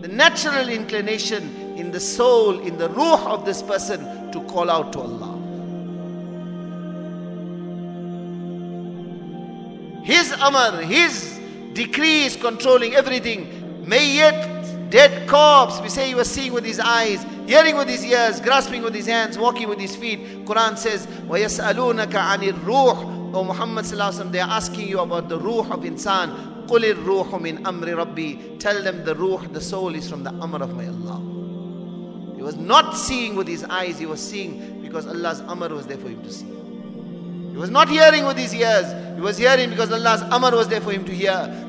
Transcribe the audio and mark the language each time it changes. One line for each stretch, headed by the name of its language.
English: The natural inclination in the soul, in the ruh of this person to call out to Allah. His amr, His decree is controlling everything. May yet dead corpse, we say he was seeing with his eyes, hearing with his ears, grasping with his hands, walking with his feet. Quran says,
Arabic: وَيَسْأَلُونَكَ عَنِ الرُّوحِ.
English: O Muhammad sallallahu alayhi wa sallam, they are asking you about the ruh of insan.
Arabic: قُلِ الرُّوحُ مِنْ أَمْرِ رَبِّي.
English: Tell them the ruh, the soul is from the amr of my Allah. He was not seeing with his eyes, he was seeing because Allah's amr was there for him to see. He was not hearing with his ears. He was hearing because Allah's amr was there for him to hear.